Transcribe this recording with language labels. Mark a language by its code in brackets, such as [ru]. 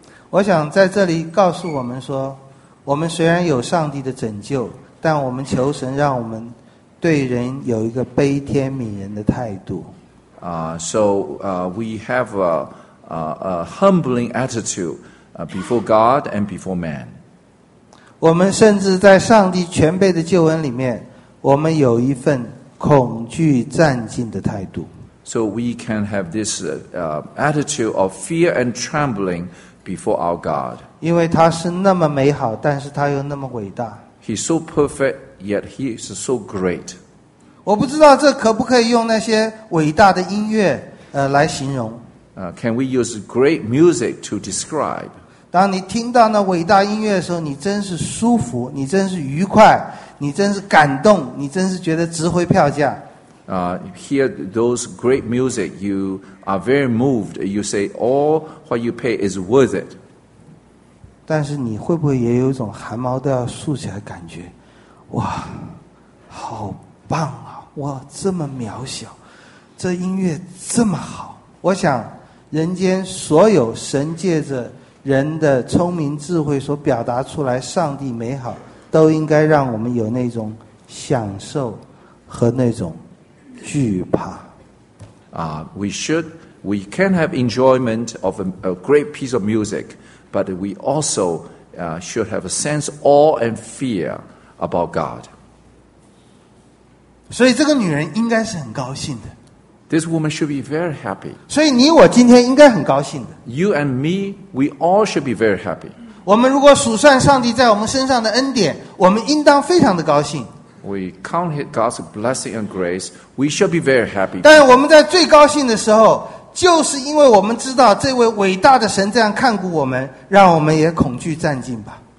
[zh] 我想在这里告诉我们说，我们虽然有上帝的拯救，但我们求神让我们对人有一个悲天悯人的态度。 [en] We have a humbling attitude before God and before man. [zh] 我们甚至在上帝全备的救恩里面，我们有一份恐惧战兢的态度。 [en] So we can have this attitude of fear and trembling before our God. [zh] 因为他是那么美好，但是他又那么伟大。 [en] He's so perfect, yet he is so great. [zh] 我不知道这可不可以用那些伟大的音乐来形容。 [en] Can we use great music to describe? [zh] 当你听到那伟大音乐的时候，你真是舒服，你真是愉快。你真是感动，你真是觉得值回票价。 [en] Hear those great music, you are very moved. You say all what you pay is worth it. [zh] 但是你会不会也有一种汗毛都要竖起来的感觉？哇，好棒啊！哇，这么渺小，这音乐这么好。我想，人间所有神借着人的聪明智慧所表达出来上帝美好，都应该让我们有那种享受和那种惧怕。 [en] We should We can have enjoyment of a great piece of music, but we also should have a sense of awe and fear about God. [zh] 所以这个女人应该是很高兴的。 [en] This woman should be very happy. [zh] 所以你我今天应该很高兴的。 [en] You and me, we all should be very happy. [zh] 我们如果数算上帝在我们身上的恩典，我们应当非常的高兴。 [en] We count God's blessing and grace, we should be very happy. [zh] 但我们在最高兴的时候，就是因为我们知道这位伟大的神这样看顾我们，让我们也恐惧战兢吧。